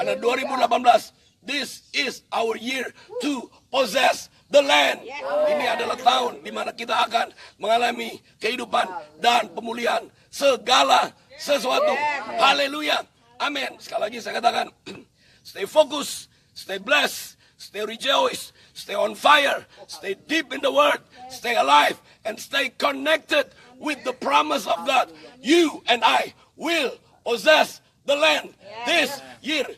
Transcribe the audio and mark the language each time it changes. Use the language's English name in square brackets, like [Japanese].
[Indonesian] Karena [English] 2018, this is our year to possess the land. [Indonesian] Ini adalah tahun di mana kita akan mengalami kehidupan dan pemulihan segala sesuatu. Haleluya. Amin. Sekali lagi saya katakan, [English] stay focused, stay blessed, stay rejoice, stay on fire, stay deep in the word, stay alive, and stay connected with the promise of God. You and I will possess the land this year.